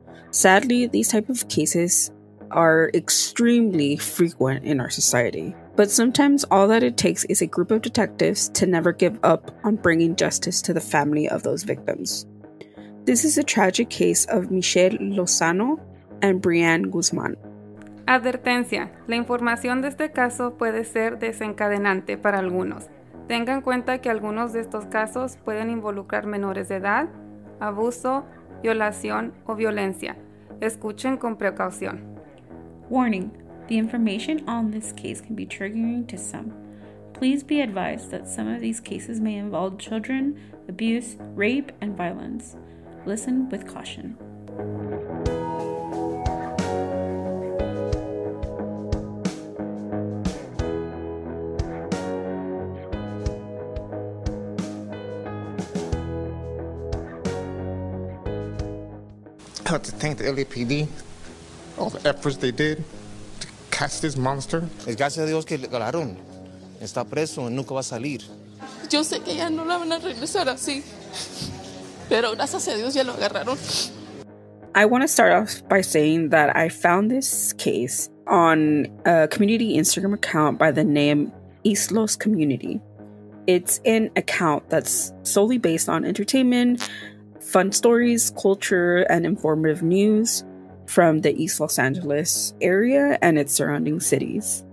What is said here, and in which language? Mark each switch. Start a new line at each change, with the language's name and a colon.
English: Sadly, these type of cases are extremely frequent in our society. But sometimes all that it takes is a group of detectives to never give up on bringing justice to the family of those victims. This is a tragic case of Michelle Lozano and Bree-Ann Guzman.
Spanish: Advertencia, la información de este caso puede ser desencadenante para algunos. Tenga en cuenta que algunos de estos casos pueden involucrar menores de edad, abuso, violación o violencia. Escuchen con precaución.
English: Warning, the information on this case can be triggering to some. Please be advised that some of these cases may involve children, abuse, rape, and violence. Listen with caution. I have to thank the LAPD, all the efforts they did to catch this monster.
Spanish: Es gracias a Dios que le agarraron. Está preso y nunca va a salir. Yo sé que ya no la van a regresar así, pero gracias a Dios ya lo agarraron.
English: I want to start off by saying that I found this case on a community Instagram account by the name East Los Community. It's an account that's solely based on entertainment, fun stories, culture, and informative news from the East Los Angeles area and its surrounding cities.